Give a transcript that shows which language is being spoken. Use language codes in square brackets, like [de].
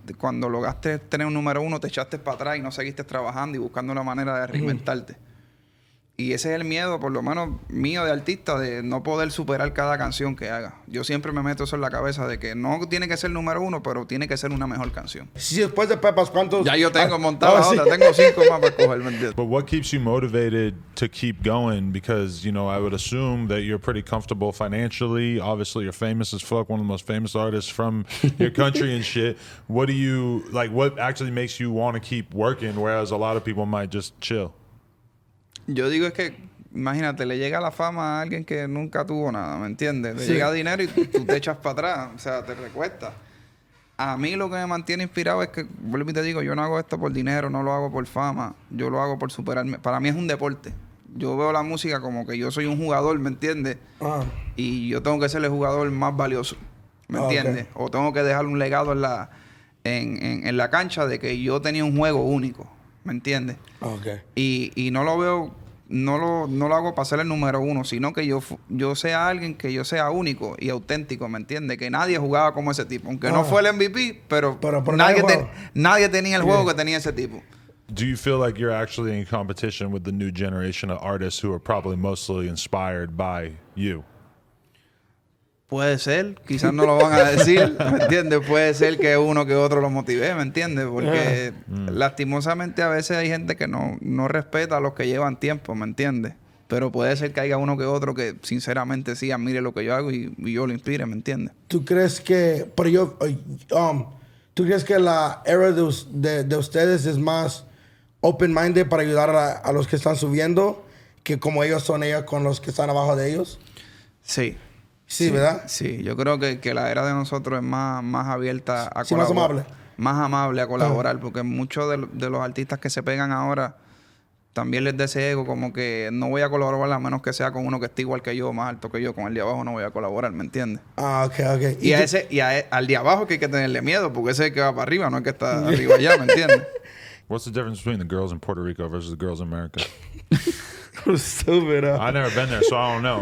[es] Cuando lograste tener un número uno, te echaste para atrás y no seguiste trabajando y buscando la manera de reinventarte. Y ese es el miedo, por lo menos mío de artista, de no poder superar cada canción que haga. Yo siempre me meto eso en la cabeza de que no tiene que ser número uno, pero tiene que ser una mejor canción. Sí, después de Pepas, ¿cuántos? Ya yo tengo montado otra, tengo cinco más para coger, ¿me entiendes? [en] But what keeps you motivated to keep going? Because, you know, I would assume that you're pretty comfortable financially. Obviously, you're famous as fuck, one of the most famous artists from your country and shit. What do you, like, what actually makes you want to keep working, whereas a lot of people might just chill? [es] Yo digo es que, imagínate, le llega la fama a alguien que nunca tuvo nada, ¿me entiendes? Le llega dinero y tú te echas para atrás, o sea, te recuestas. A mí lo que me mantiene inspirado es que, vuelvo y te digo, yo no hago esto por dinero, no lo hago por fama, yo lo hago por superarme. Para mí es un deporte. Yo veo la música como que yo soy un jugador, ¿me entiendes? Uh-huh. Y yo tengo que ser el jugador más valioso, ¿me entiendes? Okay. O tengo que dejar un legado en la cancha de que yo tenía un juego único. ¿Me entiendes? Okay. Y no lo veo, no lo hago para ser el número uno, sino que yo sea alguien que yo sea único y auténtico, ¿me entiendes? Que nadie jugaba como ese tipo. Aunque no fue el MVP, pero nadie tenía el juego que tenía ese tipo. [en] Do you feel like you're actually in competition with the new generation of artists who are probably mostly inspired by you? [es] Puede ser, quizás no lo van a decir, ¿me entiendes? Puede ser que uno que otro lo motive, ¿me entiendes? Porque lastimosamente a veces hay gente que no respeta a los que llevan tiempo, ¿me entiendes? Pero puede ser que haya uno que otro que sinceramente sí admire lo que yo hago y yo lo inspire, ¿me entiendes? ¿Tú crees que, pero yo, tú crees que la era de ustedes es más open-minded para ayudar a los que están subiendo que como ellos son ellos con los que están abajo de ellos? Sí. Sí, ¿verdad? Sí, yo creo que la era de nosotros es más abierta a colaborar. Sí, más amable. Más amable a colaborar, porque muchos de los artistas que se pegan ahora también les da ese ego, como que no voy a colaborar a menos que sea con uno que esté igual que yo, más alto que yo, con el de abajo no voy a colaborar, ¿me entiendes? Ah, ok. Y al de abajo que hay que tenerle miedo, porque ese es el que va para arriba, no es que está arriba allá, ¿me entiendes? [en] What's the difference between the girls in Puerto Rico versus the girls in America? Stupid, I've never been there, so I don't know.